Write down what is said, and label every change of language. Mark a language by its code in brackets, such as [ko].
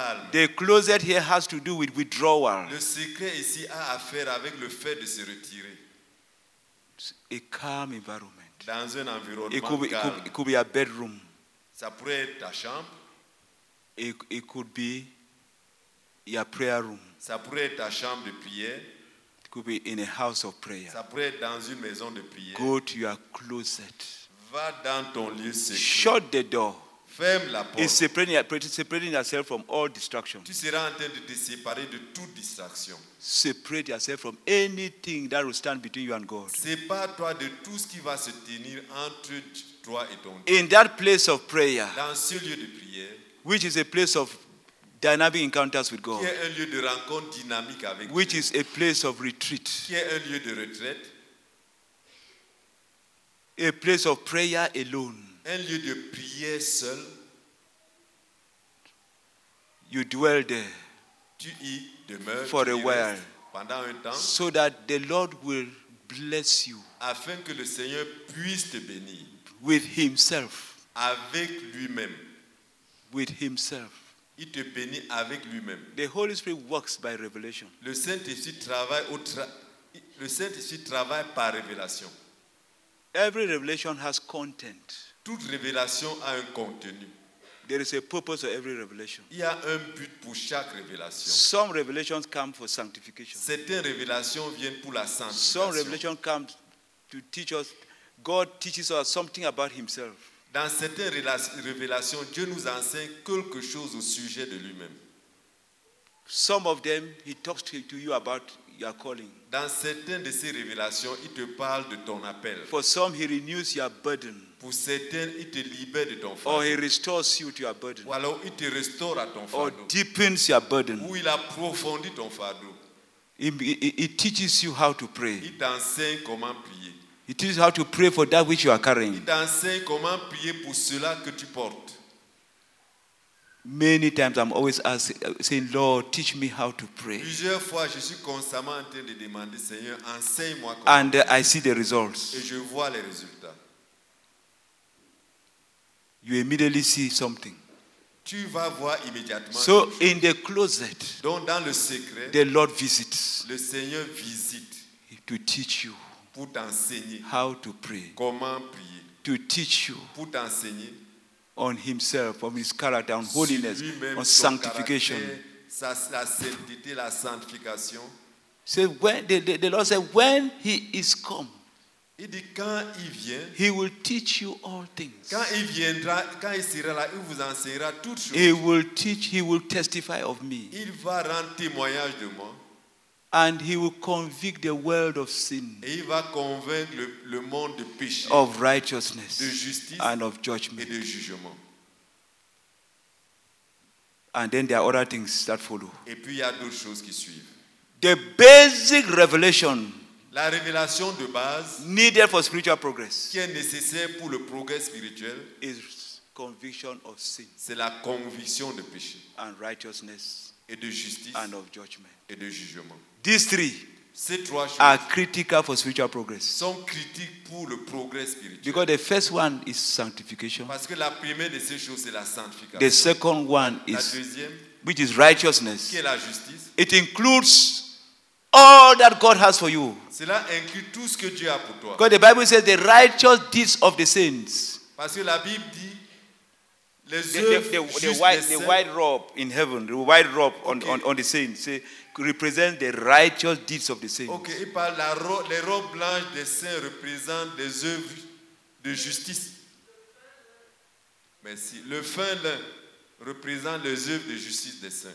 [en] The closet here has to do with withdrawal. [fr] Le secret ici a affaire avec le fait de se retirer. [en] A calm environment. [fr] Dans un environnement [en] it could be, [fr] calme. [en] It could be a bedroom. [fr] Ça pourrait être ta chambre. [en] It could be your prayer room. [fr] Ça pourrait être ta chambre de prière. [en] It could be in a house of prayer. [fr] Ça pourrait être dans une maison de prière. [en] Go to your closet. [fr] Va dans ton lieu secret. [en] Shut the door. [fr] Ferme la porte. [en] It's separating yourself from all distractions. [fr] Tu seras en train de te séparer de toute distraction. [en] Separate yourself from anything that will stand between you and God. [fr] Sépare-toi de tout ce qui va se tenir entre toi et ton Dieu. [en] In that place of prayer, [fr] dans ce lieu de prière, [en] which is a place of dynamic encounters with God, [fr] qui est un lieu de rencontre dynamique avec [en] which [fr] Dieu, [en] is a place of retreat, [fr] qui est un lieu de retraite, [en] a place of prayer alone. [fr] Un lieu de prière seul. [en] You dwell there. [fr] Tu y demeures [en] for a while. [fr] Pendant un temps. [en] So that the Lord will bless you. [fr] Afin que le Seigneur puisse te bénir. [en] With Himself. [fr] Avec lui-même. [en] With Himself. [fr] Il te bénit avec lui-même. [en] The Holy Spirit works by revelation. [fr] Le Saint-Esprit travaille par révélation. [en] Every revelation has content. [fr] Toute révélation a un contenu. [en] There is a purpose of every revelation. [fr] Il y a un but pour chaque révélation. [en] Some revelations come for sanctification. [fr] Certaines révélations viennent pour la sanctification. [en] Some revelations come to teach us. God teaches us something about Himself. [fr] Dans certaines révélations, Dieu nous enseigne quelque chose au sujet de lui-même. [en] Some of them, He talks to you about your calling. [fr] Dans certaines de ces révélations, il te parle de ton appel. [en] For some, he renews your burden. [fr] Pour certains, il te libère de ton fardeau. [en] Or he restores you to your burden. [fr] Ou alors il te restaure à ton fardeau. [en] Or deepens your burden. [fr] Ou il approfondit ton fardeau. [en] He teaches you how to pray. [fr] Il t'enseigne comment prier. [en] He teaches you how to pray for that which you are carrying. [fr] Il t'enseigne comment prier pour cela que tu portes. [en] Many times I'm always asking, saying, "Lord, teach me how to pray." [fr] Plusieurs fois, je suis constamment en train de demander, Seigneur, enseigne-moi comment. [en] And I see the results. [fr] Et je vois les résultats. [en] You immediately see something. [fr] Tu vas voir immédiatement. [en] So in the closet, [fr] donc dans le secret, [en] the Lord visits. [fr] Le Seigneur visite. [en] To teach you. [fr] Pour t'enseigner. [en] How to pray. [fr] Comment prier. [en] To teach you. [fr] Pour t'enseigner. [en] on himself, on his character, on holiness, on sanctification. [fr] Sanctification. [en] The Lord said, when he is come, [fr] il dit, quand il vient, [en] he will teach you all things. [fr] Quand il viendra, quand il sera là, il vous enseignera toutes choses. [en] He will teach, he will testify of me. [fr] Il va rendre témoignage de moi. [en] And he will convict the world of sin. [fr] Et il va convaincre le monde de péché, [en] of righteousness, [fr] de justice, [en] and of judgment. [fr] Et de jugement. [en] And then there are other things that follow. [fr] Et puis il y a d'autres choses qui suivent. [en] The basic revelation, [fr] la révélation de base, [en] needed for spiritual progress, [fr] qui est nécessaire pour le progrès spirituel, [en] is conviction of sin. [fr] C'est la conviction de péché. [en] And righteousness. [fr] Et de justice. [en] And of judgment. [fr] Et de jugement. [en] These three, [fr] ces trois choses, [en] are critical for spiritual progress. [fr] Sont critiques pour le progrès spirituel. [en] Because the first one is sanctification. [fr] Parce que la première de ces choses, c'est la sanctification. [en] The second one is, [fr] la deuxième, [en] which is righteousness. [fr] Qui est la justice. [en] It includes all that God has for you. [fr] Cela inclut tout ce que Dieu a pour toi. [en] Because the Bible says the righteous deeds of the saints. [fr] Parce que la Bible dit, [en] the white robe in heaven, the white robe on the saints, say, represents the righteous deeds of the saints. [fr] Okay, il parle la robe, les robes blanches des saints représentent des œuvres de justice. Merci. Le fin lin représente les œuvres de justice des saints.